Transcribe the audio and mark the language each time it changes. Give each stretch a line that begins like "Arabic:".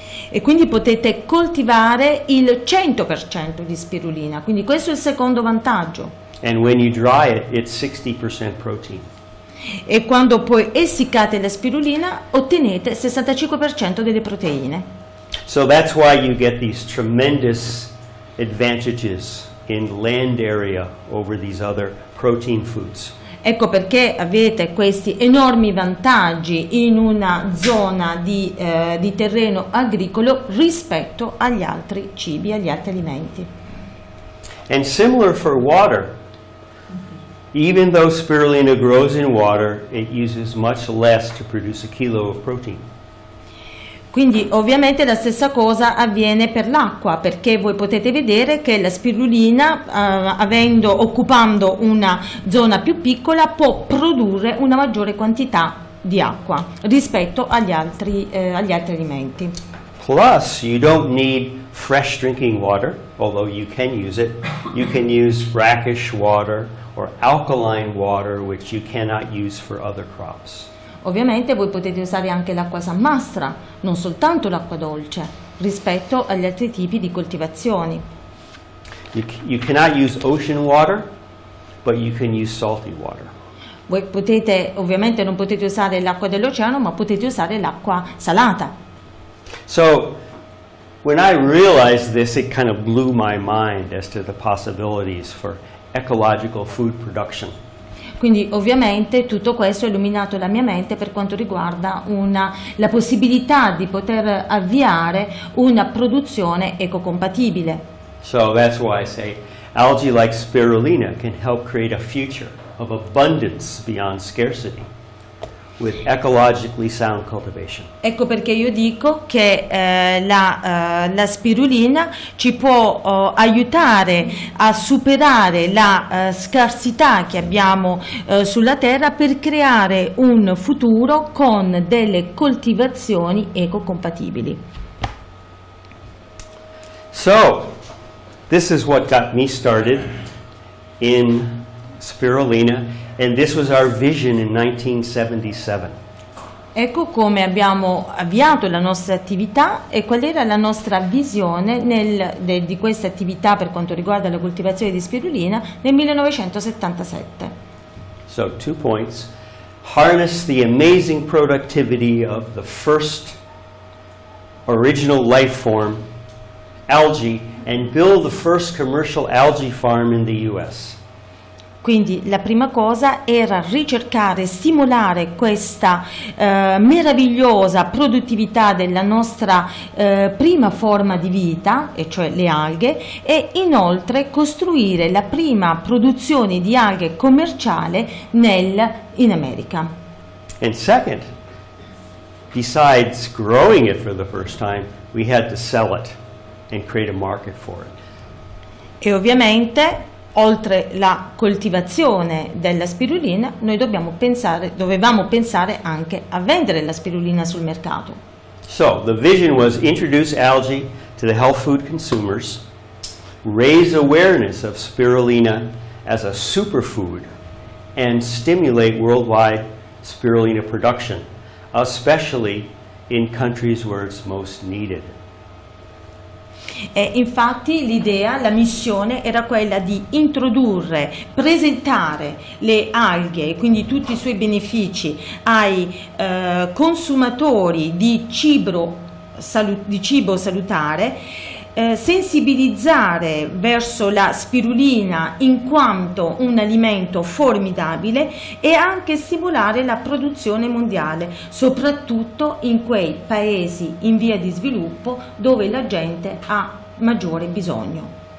Italian: E quindi potete coltivare il 100% di spirulina. Quindi questo è il secondo vantaggio.
English: And when you dry it, it's 60% protein.
Italian: E quando poi essiccate la spirulina, ottenete 65% delle proteine.
English: So that's why you get these tremendous advantages in land area over these other protein foods.
Italian: Ecco perché avete questi enormi vantaggi in una zona di terreno agricolo rispetto agli altri cibi, agli altri alimenti.
English: And similar for water. Even though spirulina grows in water, it uses much less to produce a kilo of protein.
Italian: Quindi ovviamente la stessa cosa avviene per l'acqua, perché voi potete vedere che la spirulina, occupando una zona più piccola, può produrre una maggiore quantità di acqua rispetto agli altri alimenti.
English: Plus, you don't need fresh drinking water, although you can use it. You can use brackish water or alkaline water, which you cannot use for other crops.
Italian: Ovviamente voi potete usare anche l'acqua salmastra, non soltanto l'acqua dolce, rispetto agli altri tipi di coltivazioni.
English: You cannot use ocean water, but you can use salty water.
Italian: Voi potete, ovviamente non potete usare l'acqua dell'oceano, ma potete usare l'acqua salata.
English: So, when I realized this, it kind of blew my mind as to the possibilities for ecological food production.
Italian: Quindi ovviamente tutto questo ha illuminato la mia mente per quanto riguarda la possibilità di poter avviare una produzione ecocompatibile.
English: So that's why I say algae like spirulina can help create a future of abundance beyond scarcity with ecologically sound cultivation.
Italian: Ecco perché io dico che la spirulina ci può aiutare a superare la scarsità che abbiamo sulla terra per creare un futuro con delle coltivazioni ecocompatibili.
English: So, this is what got me started in spirulina. And this was our vision in 1977.
Italian: Ecco come abbiamo avviato la nostra attività e qual era la nostra visione di questa attività per quanto riguarda la coltivazione di spirulina nel 1977.
English: So, 2 points. Harness the amazing productivity of the first original life form, algae, and build the first commercial algae farm in the U.S.
Italian: Quindi la prima cosa era ricercare, stimolare questa meravigliosa produttività della nostra prima forma di vita, e cioè le alghe, e inoltre costruire la prima produzione di alghe commerciale in America.
English: And second, besides growing it for the first time, we had to sell it and create a market for it.
Italian: E ovviamente, oltre la coltivazione della spirulina, noi dovevamo pensare anche a vendere la spirulina sul mercato.
English: So, the vision was introduce algae to the health food consumers, raise awareness of spirulina as a superfood, and stimulate worldwide spirulina production, especially in countries where it's most needed.
Italian: E infatti l'idea, la missione era quella di introdurre, presentare le alghe e quindi tutti i suoi benefici ai consumatori di cibo salutare, sensibilizzare verso la spirulina in quanto un alimento formidabile e anche stimolare la produzione mondiale, soprattutto in quei paesi in via di sviluppo dove la gente ha maggiore bisogno.